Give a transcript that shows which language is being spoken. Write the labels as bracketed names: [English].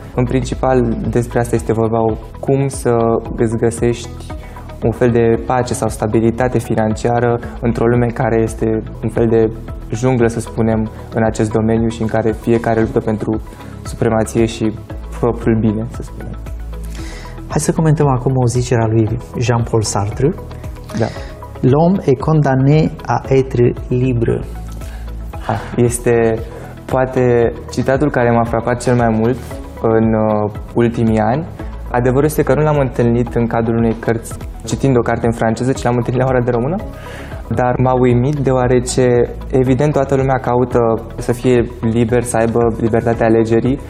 [Romanian] În principal, despre asta este vorba, cum să îți găsești un fel de pace sau stabilitate financiară într-o lume care este un fel de junglă, să spunem, în acest domeniu și în care fiecare luptă pentru supremație și propriul bine, să spunem. Hai să comentăm acum o zicere a lui Jean-Paul Sartre. Da. [French] L'homme est condamné à être libre. [Romanian] Este poate citatul care m-a frapat cel mai mult în ultimii ani. Adevărul este că nu l-am întâlnit în cadrul unei cărți citind o carte în franceză, ci l-am întâlnit la ora de română. Dar m-a uimit deoarece, evident, toată lumea caută să fie liber, să aibă libertatea alegerii.